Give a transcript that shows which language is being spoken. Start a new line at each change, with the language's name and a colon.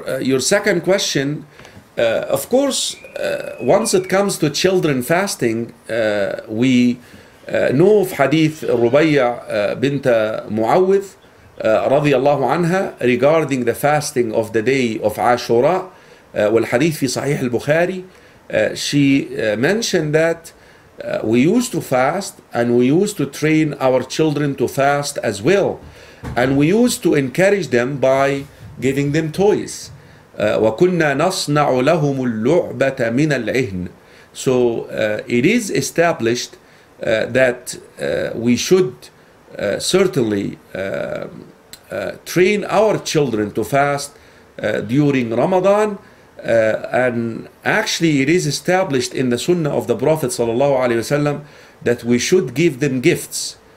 English: Your second question, of course, once it comes to children fasting, we know of hadith Rubayya bint Mu'awwidh radiyallahu anha regarding the fasting of the day of Ashura.
Arabic: والحديث في صحيح البخاري
English: she mentioned that we used to fast and we used to train our children to fast as well, and we used to encourage them by giving them toys.
Arabic: وكنا نصنع لهم اللعبة من العهن.
English: So it is established that we should certainly train our children to fast during Ramadan. And actually it is established in the sunnah of the Prophet sallallahu alaihi wasallam that we should give them gifts.